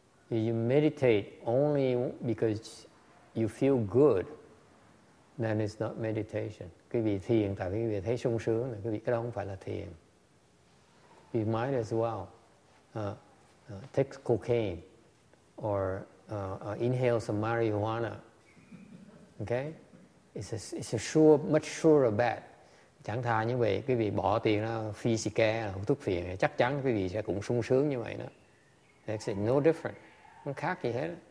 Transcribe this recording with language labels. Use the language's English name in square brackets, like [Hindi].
[English] If you meditate only because you feel good, then it's not meditation. [Vietnamese] Quý vị thiền tại vì quý vị thấy sung sướng, quý vị cái đó không phải là thiền. [English] You might as well take cocaine or inhale some marijuana. Okay? It's a sure, much surer bet. [Vietnamese] Chẳng thà như vậy, quý vị bỏ tiền ra phi xì ke, không thuốc phiền, chắc chắn quý vị sẽ cũng sung sướng như vậy đó. [English] That's it, no different. [Vietnamese] Không khác gì hết.